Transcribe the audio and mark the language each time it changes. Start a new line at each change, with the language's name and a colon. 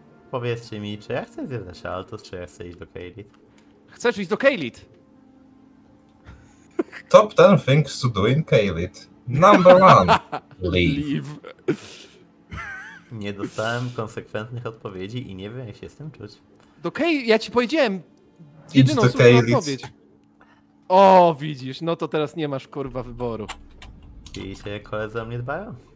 Polish: Powiedzcie mi, czy ja chcę zjadać Altus, czy ja chcę iść do Kaelid? Chcesz iść do Kaelid?
English: Top 10 things to do in Kaelid. Number one. Leave.
Polish: Nie dostałem konsekwentnych odpowiedzi i nie wiem, jak się z tym czuć. Do Kaelid, ja ci powiedziałem jedyną słuszną odpowiedź. O, widzisz, no to teraz nie masz kurwa wyboru. I się koledzy o mnie dbają?